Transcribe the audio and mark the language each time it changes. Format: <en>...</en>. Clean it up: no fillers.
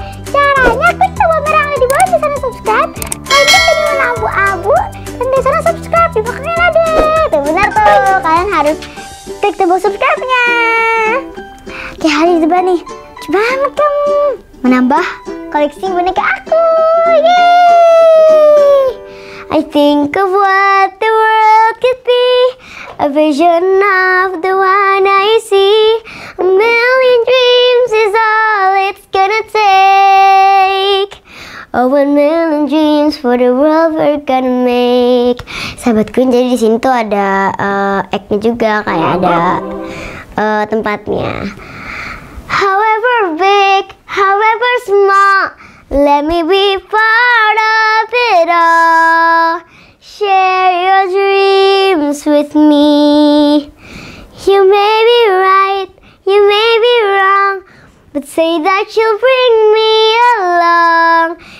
<id>Caranya klik tombol merah di bawah di sana subscribe. Klik ini warna abu-abu dan di sana subscribe. Ya, pokoknya nanti. Itu benar tuh. Kalian harus klik tombol subscribe-nya. Oke, Hadi coba nih. Coba kamu menambah koleksi boneka aku. Yeay.</id> <en>I think of what the world could be, a vision of the one I see. A million dreams is all it's gonna take. Oh, a million dreams for the world we're gonna make.</en> <id>Sahabat Queen, jadi di sini tuh ada egg-nya juga, kayak ada tempatnya.</id> <en>However big, however small, let me be part of it all. Share your dreams with me. You may be right, you may be wrong, but say that you'll bring me along.</en>